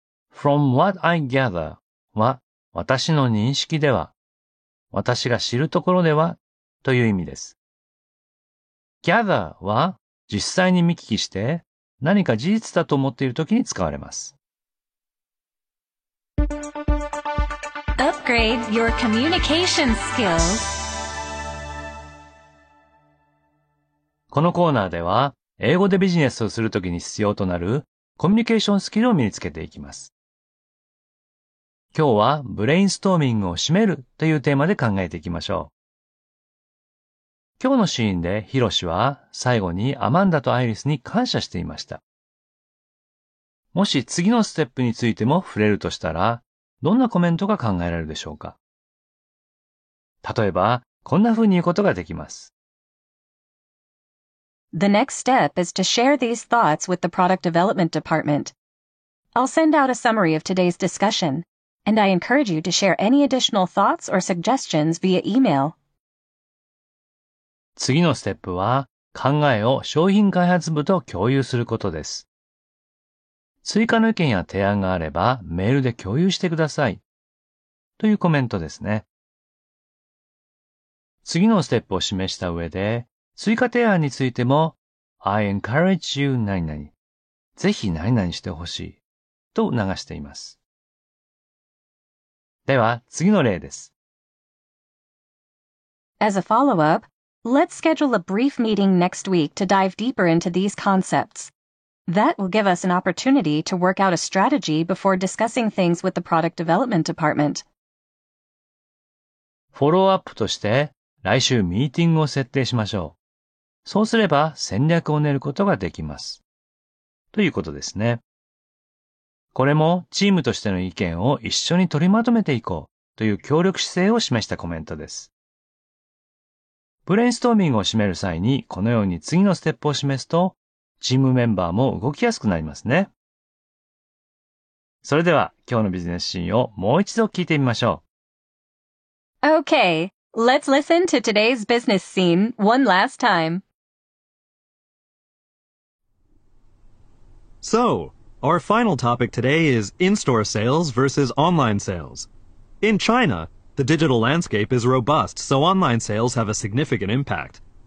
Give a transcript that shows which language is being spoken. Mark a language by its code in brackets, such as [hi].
[en] From what I gather [ja] は、私の認識では、私が知るところではという意味です。 gather は実際に見聞きして何か事実だと思っているときに使われます。 [en] Upgrade your communication skills. [ja] このコーナーでは、英語でビジネスをするときに必要となるコミュニケーションスキルを身につけていきます。今日はブレインストーミングを締めるというテーマで考えていきましょう。今日のシーンでヒロシは最後にアマンダとアイリスに感謝していました。もし次のステップについても触れるとしたら、どんなコメントが考えられるでしょうか。例えば、こんな風に言うことができます。 [en] The next step is to share these thoughts with the product development department. I'll send out a summary of today's discussion, and I encourage you to share any additional thoughts or suggestions via email. [ja] 次のステップは、考えを商品開発部と共有することです。追加の意見や提案があれば、メールで共有してください。というコメントですね。次のステップを示した上で、追加提案についても、 [en] I encourage you [ja] 何々、ぜひ何々してほしい、と促しています。では、次の例です。 [en] As a follow-up, let's schedule a brief meeting next week to dive deeper into these concepts. That will give us an opportunity to work out a strategy before discussing things with the product development department. [ja] フォローアップとして、来週ミーティングを設定しましょう。そうすれば戦略を練ることができます。ということですね。これもチームとしての意見を一緒に取りまとめていこうという協力姿勢を示したコメントです。ブレインストーミングを締める際にこのように次のステップを示すとチームメンバーも動きやすくなりますね。それでは今日のビジネスシーンをもう一度聞いてみましょう。 [en] Okay, let's listen to today's business scene one last time. So, our final topic today is in-store sales versus online sales. In China, the digital landscape is robust, so online sales have a significant impact.